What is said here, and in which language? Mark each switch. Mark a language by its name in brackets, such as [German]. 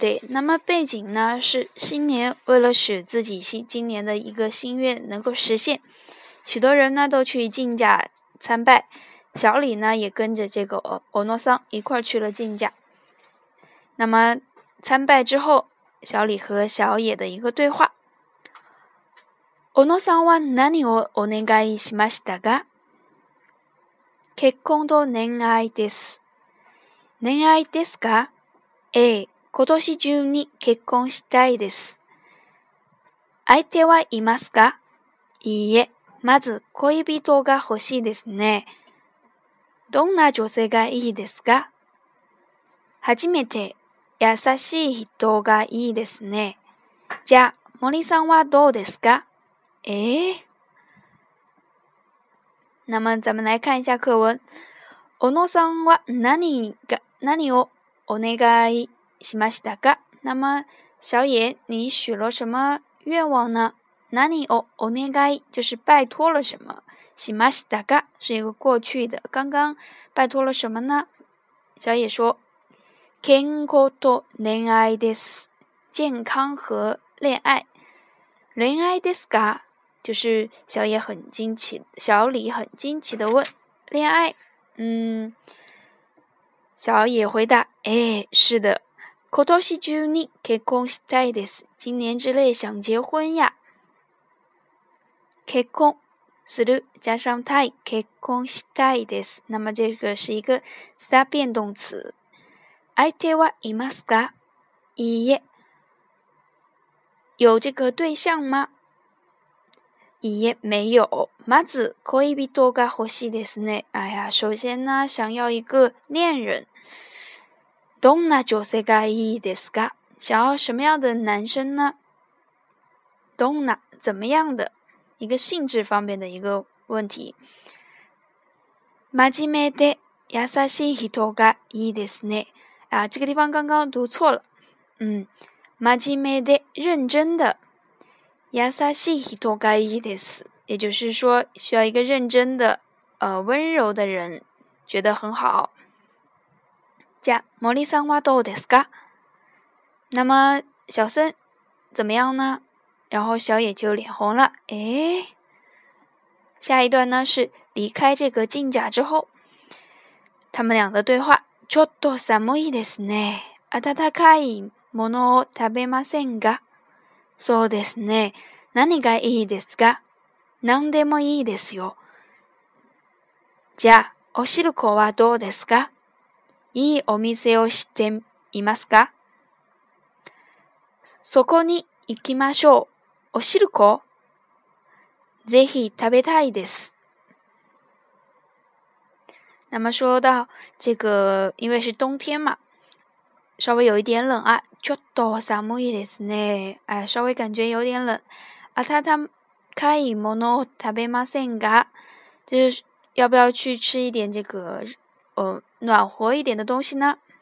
[Chinese] 那么背景呢是新年，为了使自己今年的一个心愿能够实现，许多人呢都去神社参拜，小李呢也跟着这个欧诺桑一块去了神社。那么参拜之后，小李和小野的一个对话。 [Japanese] 欧诺桑は何をお願いしましたか？結婚と恋愛です。恋愛ですか？A、今年中に結婚したいです。相手はいますか？いいえ、まず恋人が欲しいですね。どんな女性がいいですか？初めて優しい人がいいですね。じゃあ、森さんはどうですか？ [Chinese] 那么咱们来看一下课文。 [Japanese] 小野さんは何をお願いしましたか？ [Chinese] 那么小野你许了什么愿望呢？ [Japanese] 何をお願い [Chinese] 就是拜托了什么， [Japanese] しましたか [Chinese] 是一个过去的，刚刚拜托了什么呢？小野说， [Japanese] 健康と恋愛です， [Chinese] 健康和恋爱。 [Japanese] 恋愛ですか？ [Chinese] 就是小野很惊奇，小李很惊奇的问，恋爱？小野回答，是的。 [Japanese] 今年中に結婚したいです。 [Chinese] 今年之内想结婚呀。 [Japanese] 結婚、する [Chinese] 加上 [Japanese] たい結婚したいです。 [Chinese] 那么这个是一个した变动词。 [Japanese] 相手はいますか？いいえ。 [Chinese] 有这个对象吗？ [Japanese] いいえ、 [Chinese] 没有。 [Japanese] まず恋人が欲しいですね。 [Chinese] 哎呀，首先呢，想要一个恋人。 [Japanese] どんな女性がいいですか？ [Chinese] 想要什么样的男生呢？ [Japanese] どんな， [Chinese] 怎么样的？一个性质方面的一个问题。 [Japanese] 真面目で優しい人がいいですね。 [Chinese] 啊，这个地方刚刚读错了。嗯， [Japanese] 真面目で [Chinese] 认真的。 [Japanese] 優しい人がいいです。 [Chinese] 也就是说，需要一个认真的、温柔的人，觉得很好。 [Japanese] じゃ、森さんはどうですか？ [Chinese] 那么小森怎么样呢？然后小野就脸红了。哎，下一段呢是离开这个金甲之后，他们俩的对话。 [Japanese] ちょっと寒いですね。温かいものを食べませんか？そうですね。何がいいですか？何でもいいですよ。じゃあ、おしるこはどうですか？いいお店を知っていますか？そこに行きましょう。おしるこ？ぜひ食べたいです。 [Chinese] 那么说到这个，因为是冬天嘛，稍微有一点冷啊。 [Japanese] ちょっと寒いですね。 [Chinese] 哎，稍微感觉有点冷。 [Japanese] あたたかいものを食べませんか？ [Chinese] 就是要不要去吃一点这个，暖和一点的东西呢？